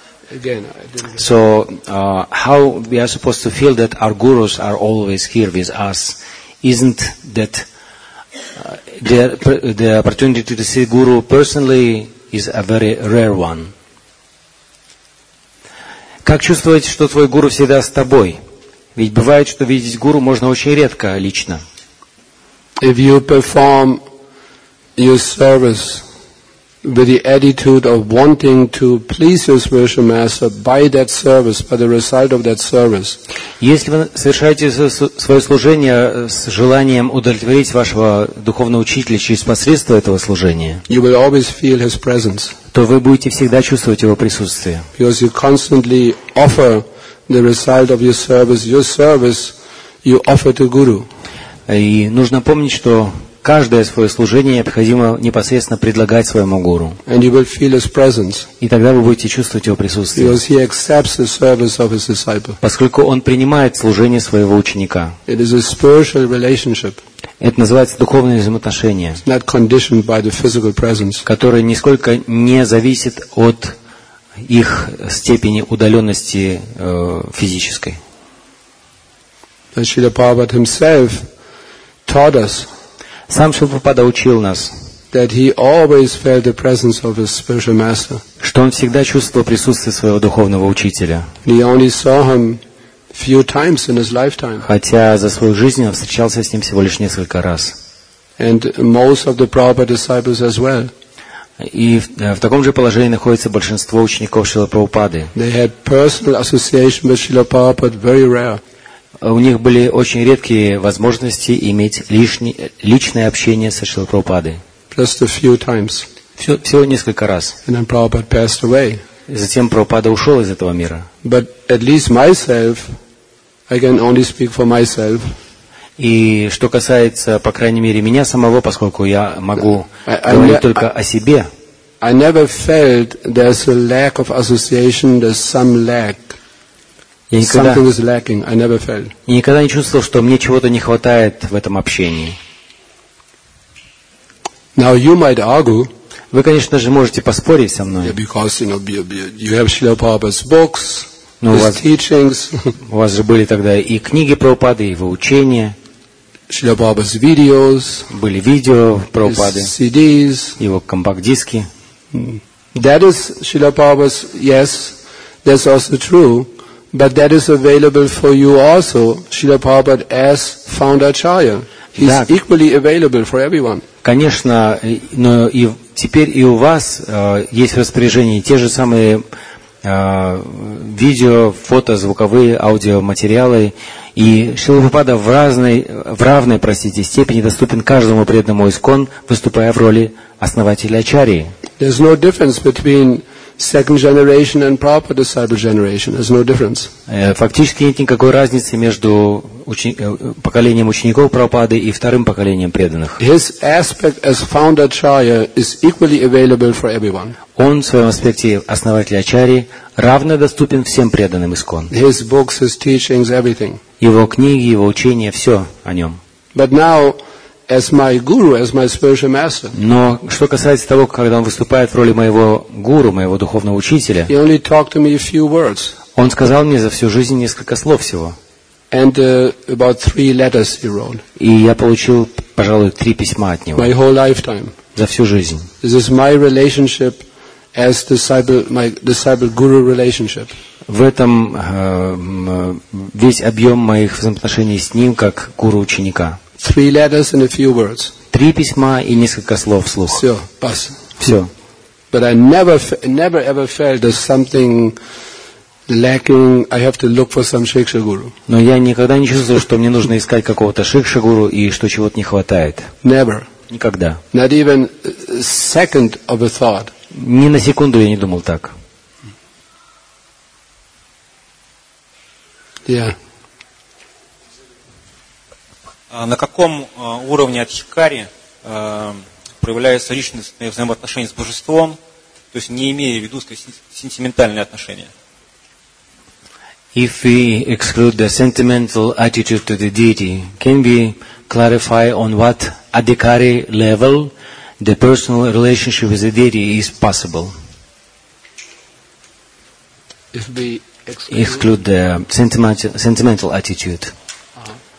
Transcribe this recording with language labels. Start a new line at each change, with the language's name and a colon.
English: Again, I didn't. So, how we are supposed to feel that our gurus are always here with us? Isn't that the opportunity to see Guru personally is a very rare one?
Russian: Как чувствовать, что твой гуру всегда с тобой? Ведь бывает, что видеть гуру можно очень редко лично.
English: If you perform your service with the attitude of wanting to please your spiritual master by that service, by the result of that service.
Russian: Если вы совершаете свое служение с желанием удовлетворить вашего духовного учителя через посредство этого служения,
English: you will always feel his presence.
Russian: То вы будете всегда чувствовать его присутствие.
English: Because you constantly offer the result of your service you offer to Guru.
Russian: И нужно помнить, что каждое свое служение необходимо непосредственно предлагать своему гуру.
English: And you will feel his presence.
Russian: И тогда вы будете чувствовать его присутствие.
English: Because he accepts the service of his disciple.
Russian: Поскольку он принимает служение своего ученика.
English: It is a spiritual relationship.
Russian: Это называется духовное взаимоотношение.
English: It's not conditioned by the physical presence.
Russian: Которое нисколько не зависит от их степени удаленности физической.
English: And Srila Prabhupada himself taught us.
Russian: Сам Шрила Прабхупада учил нас,
English: that he always felt the presence of his spiritual master.
Russian: Что он всегда чувствовал присутствие своего духовного учителя.
English: He only saw him few times in his lifetime.
Russian: Хотя за свою жизнь он встречался с ним всего лишь несколько раз.
English: And most of the Prabhupada disciples as well.
Russian: И в таком же положении находится большинство учеников Шрилы Прабхупады.
English: They had personal association with Srila Prabhupada, very rare.
Russian: У них были очень редкие возможности иметь личное общение со Шрилой Прабхупадой. Всего несколько раз.
English: And then Prabhupada passed away.
Russian: И затем Прабхупада ушел из этого мира.
English: But at least myself, I can only speak for myself.
Russian: И что касается, по крайней мере, меня самого, поскольку я могу говорить только о себе.
English: I never felt there's a lack of association, there's some lack. Something is lacking. I never felt.
Russian: Я никогда не чувствовал, что мне чего-то не хватает в этом общении.
English: Now you might argue.
Russian: Вы, конечно же, можете поспорить со мной.
English: Yeah, because you know, you have Srila Prabhupada's books,
Russian: но
English: his teachings.
Russian: У вас же были тогда и книги Прабхупады, и его учения.
English: Srila Prabhupada's videos.
Russian: Были видео Прабхупады.
English: CDs.
Russian: Его компакт-диски.
English: That is Srila Prabhupada's. Yes, that's also true. But that is available for you also, Srila Prabhupada, as founder acharya. He's
Russian: да,
English: equally available for everyone.
Russian: Конечно, но и теперь и у вас есть в распоряжении те же самые видео, фото, звуковые, аудиоматериалы. И Шрила Прабхупада в равной степени доступен каждому преданному ИСККОН, выступая в роли основателя ачарьи.
English: There's no difference between second generation and proper disciple generation. There's no difference.
Russian: Фактически нет никакой разницы между поколением учеников Прабхупады и вторым поколением преданных.
English: His aspect as founder acharya is equally available for everyone.
Russian: Он в своем аспекте основателя ачарьи равно доступен всем преданным ИСККОН.
English: His books, his teachings, everything.
Russian: Его книги, его учения, все о нем.
English: But now, as my guru, as my spiritual master.
Russian: Но что касается того, когда он выступает в роли моего гуру, моего духовного учителя,
English: he only talked to me a few words.
Russian: Он сказал мне за всю жизнь несколько слов всего.
English: And about three letters he wrote.
Russian: И я получил, пожалуй, три письма от него.
English: My whole lifetime.
Russian: За всю жизнь.
English: This is my relationship as disciple, my disciple guru relationship.
Russian: В этом весь объем моих взаимоотношений с ним как гуру ученика.
English: Three letters and a few words.
Russian: Три письма и несколько слов вслух. Все, бас. Все.
English: But I never ever felt there's something lacking. I have to look for some shiksha guru.
Russian: Но я никогда не чувствовал, что мне нужно искать какого-то шикша гуру и что чего-то не хватает.
English: Never.
Russian: Никогда.
English: Not even second of a thought.
Russian: Ни на секунду я не думал так.
English: Yeah.
Russian: На каком уровне адхикари проявляются личностные взаимоотношения с Божеством, то есть не имея в виду сентиментальные отношения?
English: If we exclude the sentimental attitude to the deity, can we clarify on what adhikari level the personal relationship with the deity is possible? If we exclude the sentimental attitude, uh-huh.